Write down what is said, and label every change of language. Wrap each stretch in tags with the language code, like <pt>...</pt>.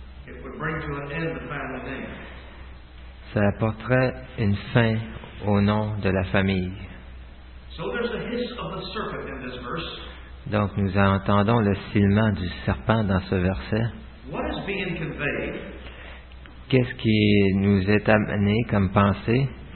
<en>it would bring to an end the family name.</en> <fr>Ça apporterait une fin au nom de la famille.</fr> <en>So there's a hiss of the serpent in this verse.</en> <fr>Donc nous entendons le sifflement du serpent dans ce verset.</fr> <en>What is being conveyed?</en> <fr>Qu'est-ce qui nous est amené comme pensée?</fr>